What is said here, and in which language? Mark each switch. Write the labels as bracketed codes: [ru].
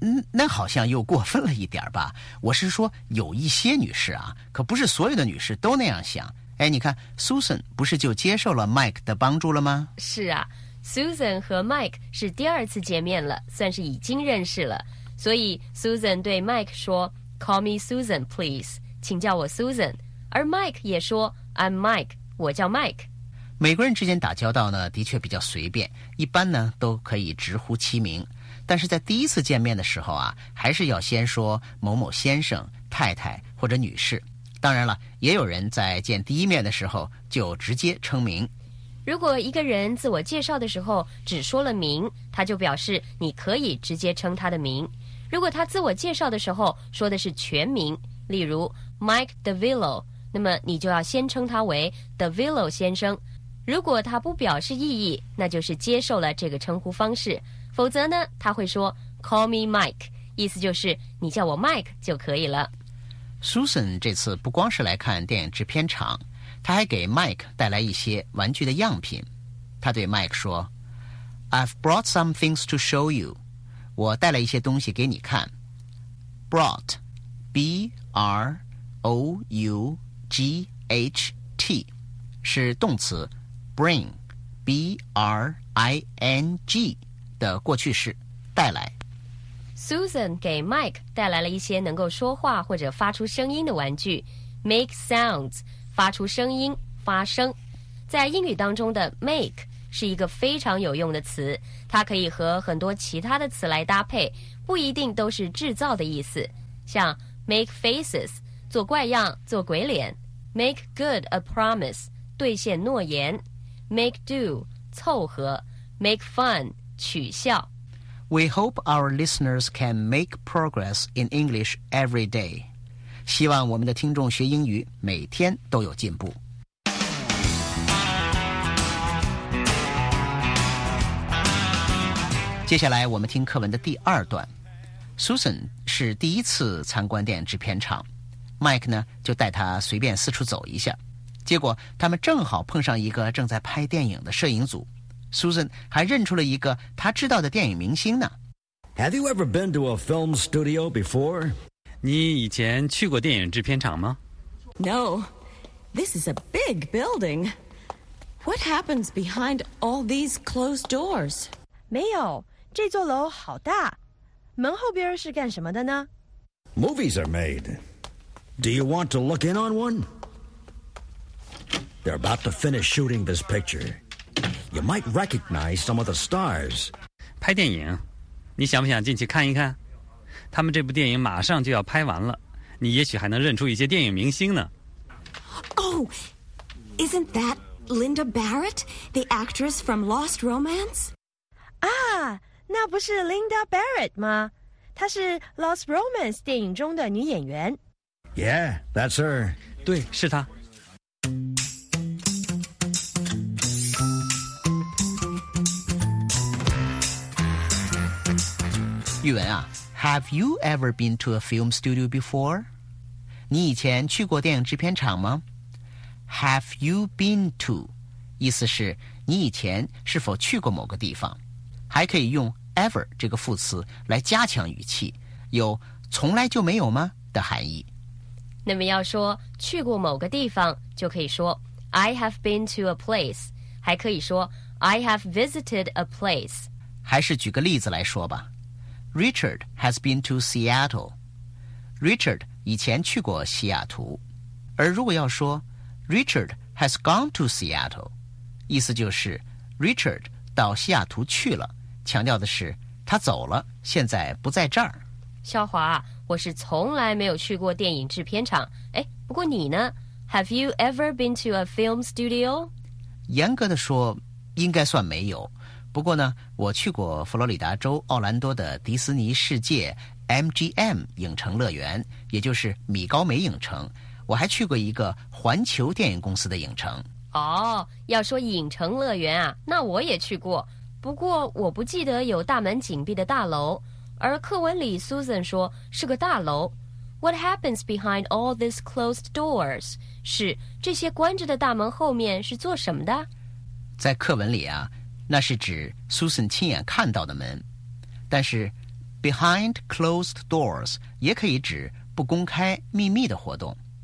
[zh] 那好像又过分了一点吧。我是说有一些女士啊，可不是所有的女士都那样想。哎，你看 Susan 不是就接受了 Mike 的帮助了吗？是啊， Susan 和 Mike 是第二次见面了，算是已经认识了。所以 Susan 对 Mike 说 [en] Call me Susan please， [zh] 请叫我 Susan， 而 Mike 也说 [en] I'm Mike， [zh] 我叫 Mike。美国人之间打交道呢，的确比较随便，一般呢都可以直呼其名，但是在第一次见面的时候啊，还是要先说某某先生、太太或者女士。当然了，也有人在见第一面的时候就直接称名。如果一个人自我介绍的时候只说了名，他就表示你可以直接称他的名。如果他自我介绍的时候说的是全名，例如 Mike DeVillo， 那么你就要先称他为 DeVillo 先生。如果他不表示异议，那就是接受了这个称呼方式，否则呢他会说 [en] Call me Mike， [zh] 意思就是你叫我 Mike 就可以了。 Susan 这次不光是来看电影制片厂，他还给 Mike 带来一些玩具的样品。他对 Mike 说 [en] I've brought some things to show you， [zh] 我带了一些东西给你看。 Brought B-R-O-U-G-H-T 是动词 bring B-R-I-N-G 的过去式，带来。 Susan 给 Mike 带来了一些能够说话或者发出声音的玩具， make sounds 发出声音，发声。在英语当中的 make 是一个非常有用的词，它可以和很多其他的词来搭配，不一定都是制造的意思，像make faces 做怪样，做鬼脸。 make good a promise 兑现诺言。 make do 凑合。make fun 取笑。 [en] We hope our listeners can make progress in English every day， [zh] 希望我们的听众学英语每天都有进步。接下来我们听课文的第二段。Susan 是第一次参观电影制片厂， Mike 呢就带他随便四处走一下，结果他们正好碰上一个正在拍电影的摄影组。 Susan 还认出了一个他知道的电影明星呢。 [en] Have you ever been to a film studio before? [zh] 你以前去过电影制片厂吗？ [en] No, this is a big building. What happens behind all these closed doors? [zh] 没有，这座楼好大，门后边是干什么的呢？ [en] Movies are made. Do you want to look in on one? They're about to finish shooting this picture. You might recognize some of the stars. [zh] 拍电影，你想不想进去看一看？他们这部电影马上就要拍完了，你也许还能认出一些电影明星呢。 [en] Oh, isn't that Linda Barrett, the actress from Lost Romance? Ah! [zh] 那不是 Linda Barrett 吗？她是 Lost Romance 电影中的女演员。 [en] Yeah, that's her. [zh] 对，是她。 [en] 玉文啊 ，Have you ever been to a film studio before？ [zh] 你以前去过电影制片厂吗 ？ [en] Have you been to？ [zh] 意思是你以前是否去过某个地方？还可以用 ever 这个副词来加强语气，有从来就没有吗的含义。那么要说去过某个地方，就可以说 [en] I have been to a place， [zh] 还可以说 [en] I have visited a place。 [zh] 还是举个例子来说吧。 [en] Richard has been to Seattle. [zh] Richard 以前去过西雅图。而如果要说 [en] Richard has gone to Seattle， [zh] 意思就是 Richard 到西雅图去了，强调的是他走了，现在不在这儿。肖华，我是从来没有去过电影制片厂。哎，不过你呢？ [en] Have you ever been to a film studio？ [zh] 严格的说，应该算没有。不过呢，我去过佛罗里达州奥兰多的迪斯尼世界 MGM 影城乐园，也就是米高梅影城。我还去过一个环球电影公司的影城。哦，要说影城乐园啊，那我也去过。不过我不记得有大门紧闭的大楼，而课文里 Susan 说是个大楼。 [en] What happens behind all these closed doors？ [zh] 是这些关着的大门后面是做什么的？在课文里啊，那是指 Susan 亲眼看到的门，但是 behind closed doors 也可以指不公开秘密的活动。